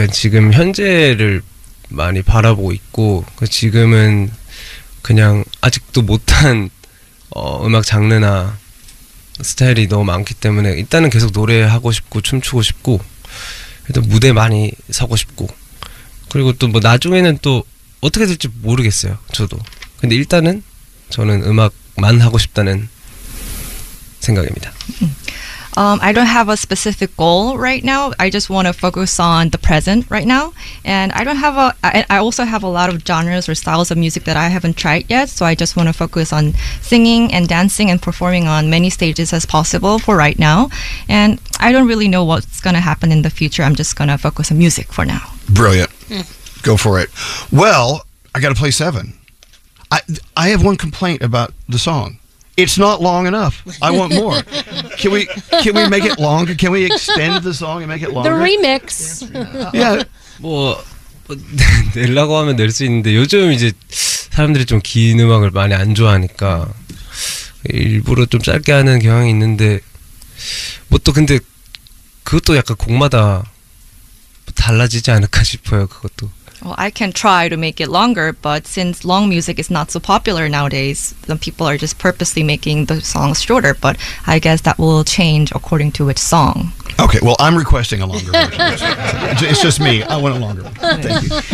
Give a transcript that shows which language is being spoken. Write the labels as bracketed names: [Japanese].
[Korean] 그냥 지금 현재를 많이 바라보고 있고 지금은 그냥 아직도 못한 음악 장르나 스타일이 너무 많기 때문에 일단은 계속 노래하고 싶고 춤추고 싶고 일단 무대 많이 서고 싶고 그리고 또 뭐 나중에는 또 어떻게 될지 모르겠어요. 저도. 근데 일단은 저는 음악만 하고 싶다는 생각입니다. [English] I don't have a specific goal right now. I just want to focus on the present right now. And I don't have I also have a lot of genres or styles of music that I haven't tried yet. So I just want to focus on singing and dancing and performing on many stages as possible for right now. And I don't really know what's going to happen in the future. I'm just going to focus on music for now. Brilliant. Mm. Go for it. Well, I got to play Seven. I have one complaint about the song. It's not long enough. I want more. Can we make it longer? Can we extend the song and make it longer? The remix. Yeah. [Korean] 뭐 내려고 하면 낼 수 있는데 요즘 이제 사람들이 좀 긴 음악을 많이 안 좋아하니까 일부러 좀 짧게 하는 경향이 있는데 뭐 또 근데 그것도 약간 곡마다 달라지지 않을까 싶어요. 그것도. [English] Well, I can try to make it longer, but since long music is not so popular nowadays, then people are just purposely making the songs shorter. But I guess that will change according to which song. Okay, well, I'm requesting a longer version. It's just me. I want a longer one. Thank you.